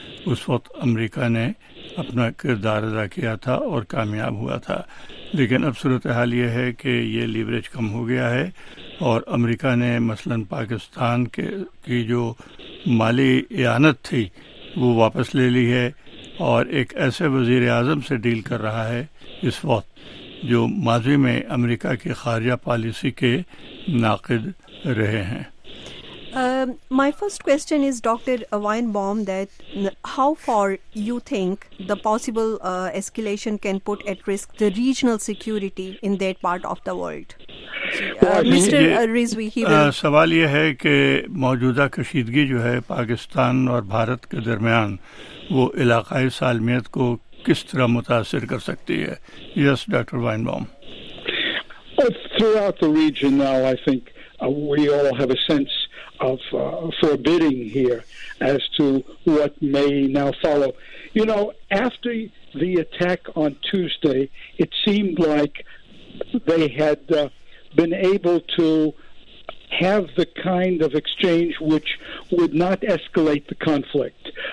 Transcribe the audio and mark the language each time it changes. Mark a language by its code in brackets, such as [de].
[ur] اس وقت امریکہ نے اپنا کردار ادا کیا تھا اور کامیاب ہوا تھا, لیکن اب صورتحال یہ ہے کہ یہ لیوریج کم ہو گیا ہے اور امریکہ نے مثلا پاکستان کی جو مالی اعانت تھی وہ واپس لے لی ہے اور ایک ایسے وزیر اعظم سے ڈیل کر رہا ہے اس وقت جو ماضی میں امریکہ کی خارجہ پالیسی کے ناقد رہے ہیں. [en] My first question is, Dr. Weinbaum, that how far you think the possible escalation can put at risk the regional security in that part of the world? Mr. Rizvi, he will... [ur] سوال یہ ہے کہ موجودہ کشیدگی جو ہے پاکستان اور بھارت کے درمیان وہ علاقائی سالمیت کو کس طرح متاثر کر سکتی ہے؟ [en] Yes, Dr. Weinbaum. Throughout the region now, I think we all have a sense of forbidding here as to what may now follow. You know, after the attack on Tuesday, it seemed like they had been able to have the kind of exchange which would not escalate the conflict.